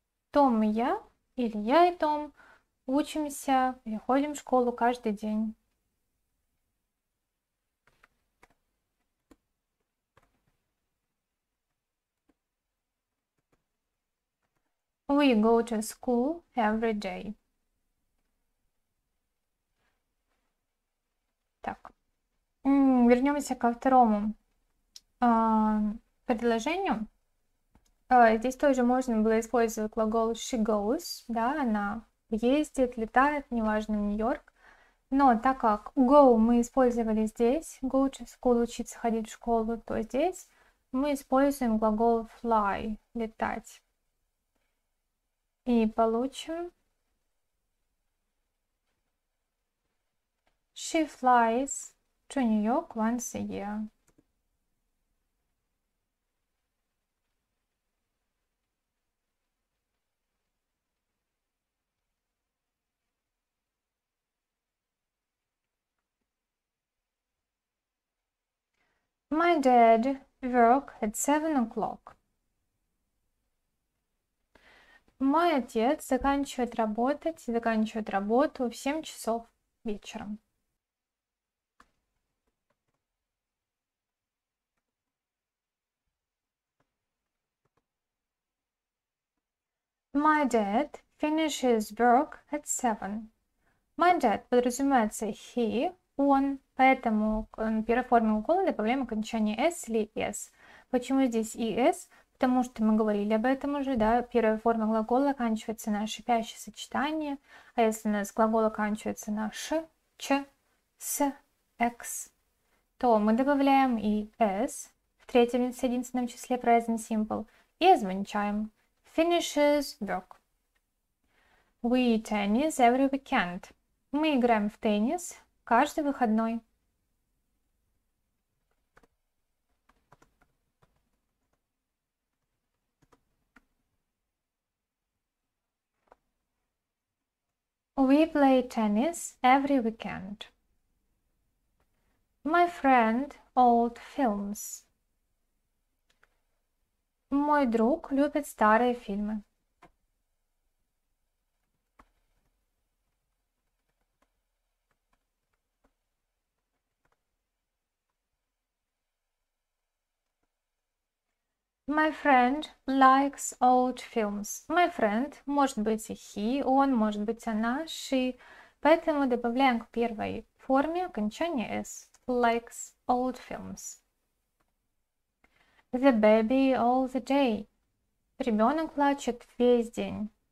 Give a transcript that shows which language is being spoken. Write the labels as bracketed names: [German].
[Russian] Том и я, или я и Том, учимся и ходим в школу каждый день. [English] We go to school every day. [Russian] Так, вернемся ко второму предложению. Здесь тоже можно было использовать глагол [English] she goes, [Russian] да, она ездит, летает, неважно, Нью-Йорк. Но так как go мы использовали здесь, [English] go to school, [Russian] учиться ходить в школу, то здесь мы используем глагол fly, летать. И получим [English] she flies to New York once a year. My dad work at 7 o'clock. [Russian] Мой отец заканчивает работу в 7 часов вечера. [English] My dad finishes work at 7. My dad [Russian] подразумевается [English] he, [Russian] он, поэтому в первой форме глагола добавляем окончание s или s. Почему здесь и s? Потому что мы говорили об этом уже, да, первая форма глагола оканчивается на шипящее сочетание, а если у нас глагол оканчивается на ш, ч, с, экс, то мы добавляем и s в третьем лице единственном числе present simple и означаем [English] finishes work. We tennis every weekend. [Russian] Мы играем в теннис каждый выходной. [English] We play tennis every weekend. My friend old films. [Russian] Мой друг любит старые фильмы. [English] My friend likes old films. My friend [Russian] может быть и he, он может быть она, she. Поэтому добавляем к первой форме окончание s. [English] Likes old films. The baby all the day. [Russian] Ребенок плачет весь день.